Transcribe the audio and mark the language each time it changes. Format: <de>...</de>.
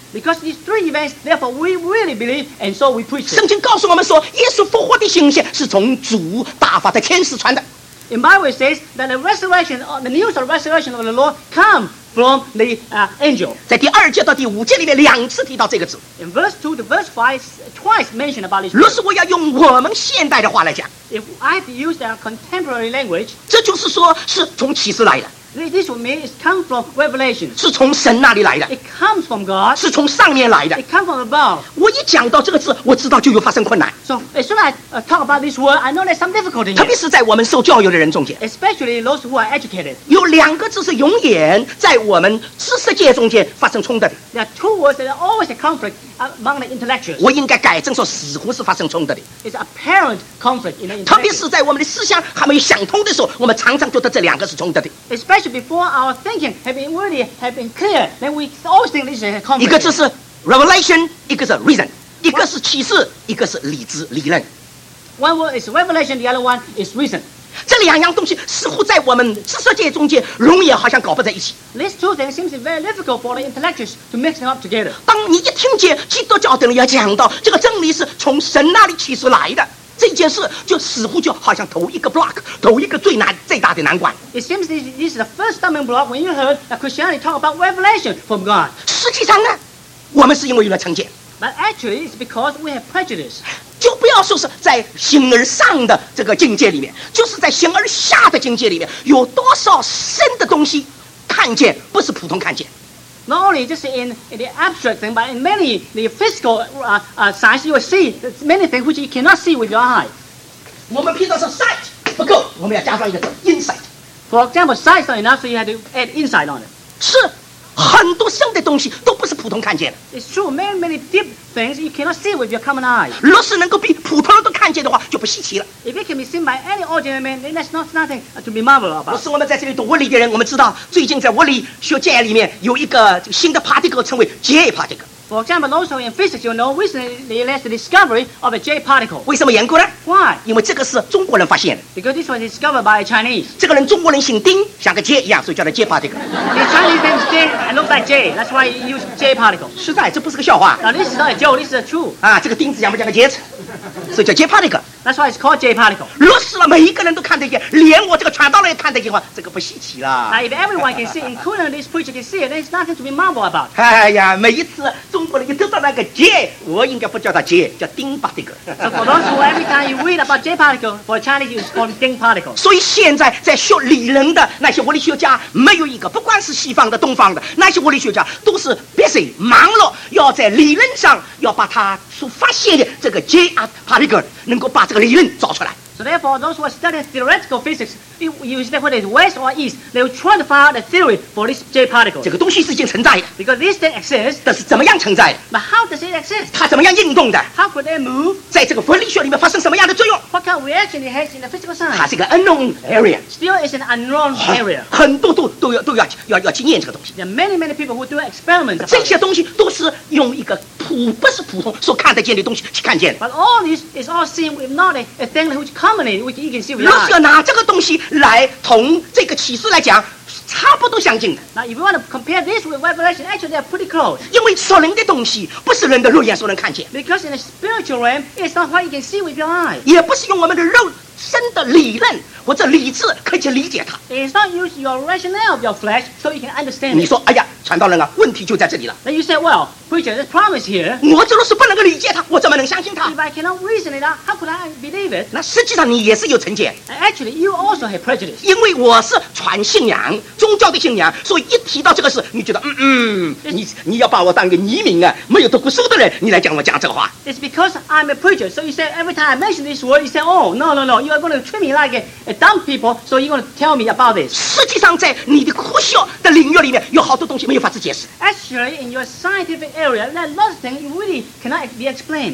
<en>Because these three events, therefore we really believe, and so we preach.</en> <zh>圣经告诉我们说，耶稣复活的信息是从主大发的天使传的。</zh> <en>In Bible it says that the resurrection, the news of the resurrection of the Lord, come from the angel.</en> <zh>在第二节到第五节里面两次提到这个字。</zh> <en>In verse 2 to verse 5, twice mentioned about this.</en> <zh>若是我要用我们现代的话来讲</zh> <en>，If I use our contemporary language,</en> <zh>这就是说是从启示来的。</zh> <en>This for me is come from revelation.</en> <zh>是从神那里来的。</zh> <en>It comes from God.</en> <zh>是从上面来的。</zh> <en>It comes from above.</en> <zh>我一讲到这个字，我知道就有发生困难。</zh> <en>So as soon as I talk about this word, I know there's some difficulty.</en> <zh>特别是在我们受教育的人中间。</zh> <en>Especially those who are educated.</en> <zh>有两个字是永远在我们知识界中间发生冲突的。</zh> <en>There are two words that are always a conflict among the intellectuals.</en> <zh>我应该改正说，似乎是发生冲突的。</zh> <en>It's apparent conflict in the intellect.</en> <zh>特别是在我们的思想还没有想通的时候，我们常常觉得这两个是冲突的。</zh> <en>Especially before our thinking have been clear, then we always think this is a conflict.</en> <zh>一个字是 revelation, 一个是 reason, 一个是启示，一个是理智理论。</zh> <en>One word is revelation, the other one is reason.</en> <zh>这两样东西似乎在我们知识界中间容易好像搞不在一起。</zh> <en>These two things seems very difficult for the intellectuals to mix them up together.</en> <zh>当你一听见基督教的人要讲到这个真理是从神那里启示来的。这件事就似乎就好像头一个 block， 头一个最大的难关。</zh> <en>It seems this is the first stumbling block when you heard that Christianity talk about revelation from God.</en> <zh>实际上呢，我们是因为有了成见。</zh> <en>But actually, it's because we have prejudice.</en> <zh>就不要说是在形而上的这个境界里面，就是在形而下的境界里面，有多少深的东西看见不是普通看见。</zh> <en>Not only just in the abstract thing, but in many the physical signs, you will see many things which you cannot see with your eye.</en> <zh>我们凭的是 sight 不够，我们要加上一个 insight.</zh> <en>For example, sight is not enough, so you have to add insight on it.</en> <zh>是很多深的东西都不是普通看见的。</zh> <en>It's true, many many deep things you cannot see with your common eye.</en> <zh>若是能够比普通人都看见的话，就不稀奇了。</zh> <en>If it can be seen by any ordinary man, then that's not nothing to be marvelled about.</en> <zh>若是我们在这里读物理的人，我们知道最近在物理学界里面有一个新的 particle 称为 J particle.</zh> <en>For For example, also in physics, you know, recently there's the discovery of a J particle.</en> <zh>为什么缘故呢？</zh> <en>Why?</en> <zh>因为这个是中国人发现的。</zh> <en>Because this was discovered by a Chinese.</en> <zh>这个人中国人姓丁，像个 J 一样，所以叫做 J particle.</zh> <en>The Chinese name is J, and looks like J. That's why he used J particle.</en> <zh>实在，这不是个笑话。</zh> <en>Now this is not a joke, this is a truth.</en> <zh>啊，这个钉子像不像个 J 子？所以叫 J particle.</zh> <en>That's why it's called J particle.</en> <zh>如果死了，每一个人都看得见，连我这个传道人也看得见的话，这个不稀奇了。</zh> <en>Now if everyone can see, including this preacher can see, then it's nothing to be marvel about.</en> <zh>哎呀，每一次中国人一得到那个 J, 我应该不叫他 J, 叫丁 particle.</zh> <en>So for those who every time you read about J particle, for Chinese it's called 丁 particle.</en> <zh>所以现在在学理论的那些物理学家，没有一个，不管是西方的、东方的，那些物理学家都是 busy 忙碌，要在理论上要把它所发现的这个 J particle 能够把这个理论找出来。</zh> <en>So therefore, those who are studying theoretical physics, whether it's west or east, they will try to find out the theory for this J particle.</en> <zh>这个东西是已经存在的。</zh> <en>Because this thing exists.</en> <zh>但是怎么样存在的？</zh> <en>But how does it exist?</en> <zh>它怎么样运动的？</zh> <en>How could it move?</en> <zh>在这个物理学里面发生什么样的作用？</zh> <en>What kind of reaction it has in the physical science?</en> <zh>它是一个</zh> <en>unknown area. Still is an unknown area.</en> <zh>很多都要经验这个东西。</zh> <en>There are many, many people who do experiments.</en> <zh>这些东西都是用一个不是普通所看得见的东西去看见。</zh> <en>But all this is all seen with not a thing which commonly which you can see with eye.</en> <zh>如果拿这个东西来同这个启示来讲，差不多相近的。</zh> <en>Now if you want to compare this with revelation, actually they are pretty close.</en> <zh>因为属灵的东西不是人的肉眼所能看见。</zh> <en>Because in the spiritual realm, it's not what you can see with your eye.</en> <zh>也不是用我们的肉身的理论或者理智可以去理解它。</zh> <en>It's not use your rationale of your flesh so you can understand.</en> <zh>你说，哎呀，传道人啊，问题就在这里了。</zh> <en>Then you say, well, preacher, there's promise here.</en> <zh>我这若是不能够理解它，我怎么能相信它？</zh> <en>If I cannot reason it out, how could I believe it?</en> <zh>那实际上你也是有成见。</zh> <en>Actually, you also have prejudice.</en> <zh>因为我是传信仰，宗教的信仰，所以一提到这个事，你觉得，你要把我当个移民啊，没有读过书的人，你来讲我讲这个话。</zh> <en>It's because I'm a preacher, so you say every time I mention this word, you say, oh, no, no, no, you are going to treat me like a dumb people, so you're going to tell me about this.</en> <zh>实际上，在你的科学的领域里面，有好多东西没有法子解释。</zh> <en>Actually, in your scientific area, there are lots of things you really cannot be explained.</en>